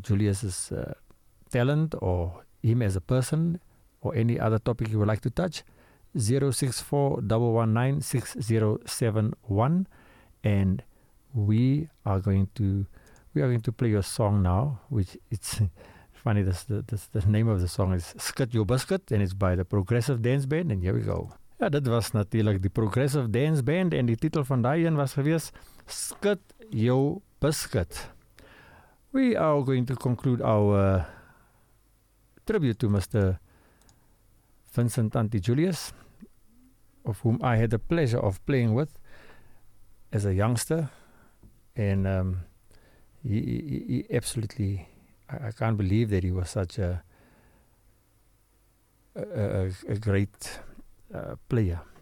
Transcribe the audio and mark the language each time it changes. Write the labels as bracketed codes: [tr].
[en] Julius's talent or him as a person or any other topic you would like to touch, 064-119-6071. And we are going to play your song now, which it's funny, the name of the song is Skit Your Biscuit, and it's by the Progressive Dance Band, and here we go. [af] Ja, dit was natuurlijk die Progressive Dance Band, en die titel van die een was geweest Skit Your Biscuit. [en] We are going to conclude our tribute to Mr. Vincent Tanti Julius, of whom I had the pleasure of playing with as a youngster, and he absolutely, I can't believe that he was such a great player.